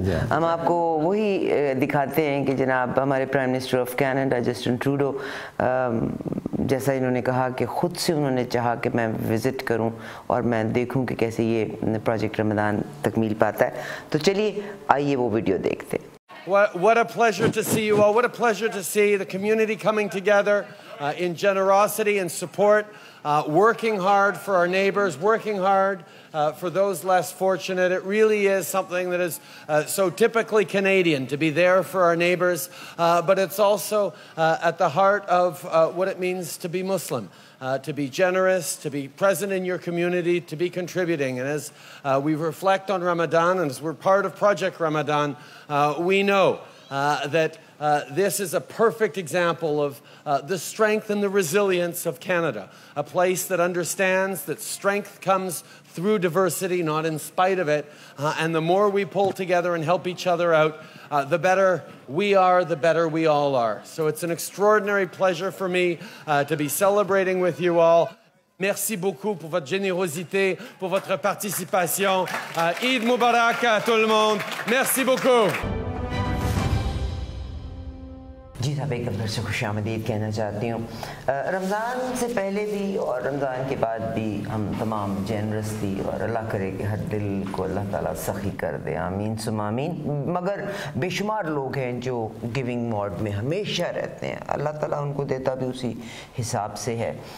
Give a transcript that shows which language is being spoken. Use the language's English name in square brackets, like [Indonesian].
[Urdu] ہم آپ کو وہی دکھاتے ہیں کہ جناب ہمارے prime minister of Canada Justin Trudeau, جیسا انہوں نے کہا کہ خود سے انہوں نے چاہا کہ میں وزٹ کروں اور میں دیکھوں کہ کیسے یہ پروجیکٹ رمضان تکمیل پاتا ہے, تو چلیے آئیے وہ ویڈیو دیکھتے. [English] What a pleasure to see you all. What a pleasure to see the community coming together in generosity and support, working hard for our neighbors, working hard for those less fortunate. It really is something that is so typically Canadian to be there for our neighbors, but it's also at the heart of what it means to be Muslim. To be generous, to be present in your community, to be contributing. And as we reflect on Ramadan, and as we're part of Project Ramadan, we know that this is a perfect example of the strength and the resilience of Canada, a place that understands that strength comes through diversity, not in spite of it. And the more we pull together and help each other out, the better we are, the better we all are. So it's an extraordinary pleasure for me to be celebrating with you all. [French] Merci beaucoup pour votre générosité, pour votre participation. Eid Mubarak à tout le monde. Merci beaucoup. [Urdu] جی صاحب ایک اندر سے خوش آمدید کہنا چاہتی ہوں. رمضان سے پہلے بھی اور رمضان کے بعد بھی ہم تمام جینرس تھی اور اللہ کرے کہ ہر دل کو اللہ تعالیٰ سخی کر دے, آمین سم آمین. مگر بے شمار لوگ ہیں جو گیونگ موڈ میں ہمیشہ رہتے ہیں, اللہ تعالیٰ ان کو دیتا بھی اسی حساب سے ہے.